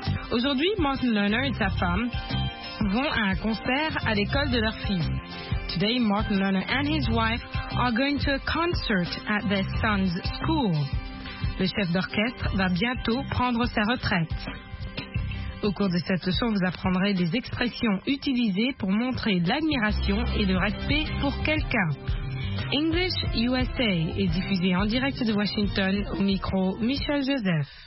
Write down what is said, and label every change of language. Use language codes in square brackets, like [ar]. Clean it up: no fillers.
[fr] Aujourd'hui, Martin Lerner et sa femme vont à un concert à l'école de leur fille. [en] Today, Martin Lerner and his wife are going to a concert at their son's school. [fr] Le chef d'orchestre va bientôt prendre sa retraite. Au cours de cette leçon, vous apprendrez des expressions utilisées pour montrer de l'admiration et de respect pour quelqu'un. English USA est diffusé en direct de Washington au micro Michel Joseph.